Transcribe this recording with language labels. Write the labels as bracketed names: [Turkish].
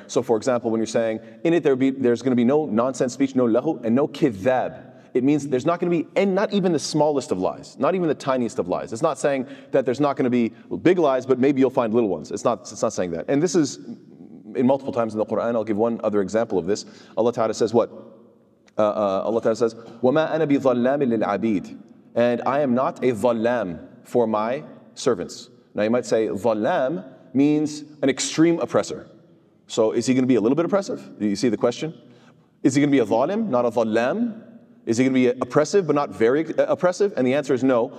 [English] So for example, when you're saying, in it there's going to be no nonsense speech, no lahu, and no kithab. It means there's not going to be, and not even the smallest of lies, not even the tiniest of lies. It's not saying that there's not going to be big lies, but maybe you'll find little ones. It's not saying that. And this is in multiple times in the Quran. I'll give one other example of this. Allah Ta'ala says what? [Arabic] Allah Ta'ala says, وَمَا أَنَا بِظَلَّامٍ لِلْعَبِيدِ. [English] And I am not a ظَلَّام for my servants. Now you might say, ظَلَّام means an extreme oppressor. So is he going to be a little bit oppressive? Do you see the question? Is he going to be a ظَالِم, not a ظَلَّام? Is he going to be oppressive, but not very oppressive? And the answer is no.